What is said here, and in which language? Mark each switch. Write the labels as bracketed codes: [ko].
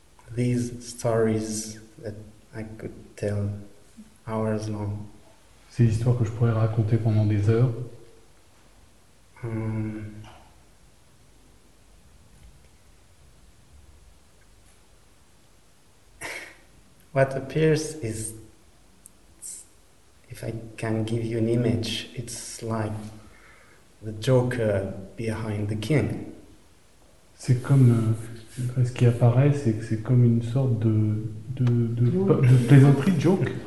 [en] these stories that I could tell hours long. [fr] C'est l'histoire que je pourrais raconter pendant des heures. [en] What appears is, if I can give you an image, it's like the Joker behind the king. [fr] C'est comme ce qui apparaît, c'est comme une sorte de plaisanterie, joke.